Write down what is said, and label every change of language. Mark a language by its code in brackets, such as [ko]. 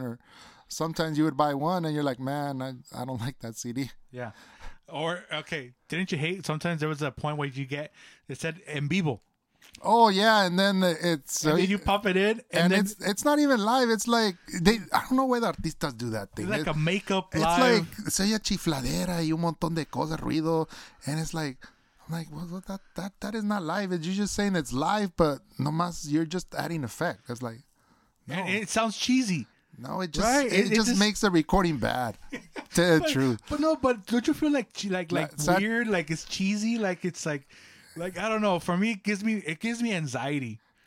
[en] Or sometimes you would buy one and you're like, man, I don't like that CD. Yeah. Or, okay, didn't you hate, sometimes there was a point where you get, it said En Vivo. Oh, yeah, and then it's... And then you pop it in, and then... It's not even live. It's like... I don't know why the artistas do that thing. It's like a makeup live. It's like... [es] Se oye chifladera y un montón de cosas, ruido. [en] And it's like... I'm like, well, that is not live. You're just saying it's live, but nomás you're just adding effect. It's like... No. And it sounds cheesy. No, it just right? it just makes the recording bad. Tell the truth. But no, but don't you feel like weird? Like it's cheesy? Like it's like... Like, I don't know. For me, it gives me anxiety.